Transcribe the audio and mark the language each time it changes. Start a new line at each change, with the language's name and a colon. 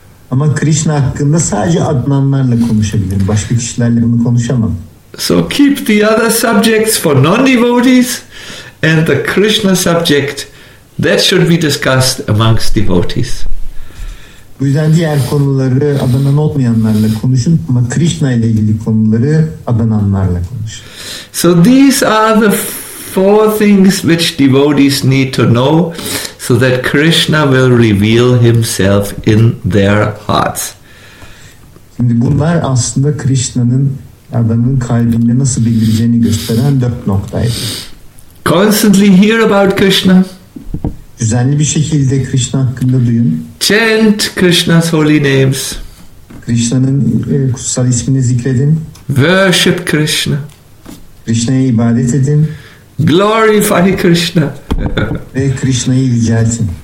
Turkish: Ama Krishna hakkında sadece Adnanlarla konuşabilirim. Başka kişilerle bunu konuşamam.
English: So keep the other subjects for non-devotees and the Krishna subject that should be discussed amongst devotees.
Turkish: Bu yüzden diğer konuları Adnan olmayanlarla konuşun ama Krishna ile ilgili konuları Adnanlarla konuşun.
English: So these are the four things which devotees need to know so that Krishna will reveal himself in their hearts.
Turkish: Şimdi bunlar aslında Krishna'nın adamın kalbinde nasıl bildireceğini gösteren dört noktaydı.
English: Constantly hear about Krishna.
Turkish: Düzenli bir şekilde Krishna hakkında duyun.
English: Chant Krishna's holy names.
Turkish: Krishna'nın kutsal ismini zikredin.
English: Worship Krishna.
Turkish: Krishna'ya ibadet edin.
English: Glorify Krishna.
Turkish: Ve Krishna'yı yüceltin.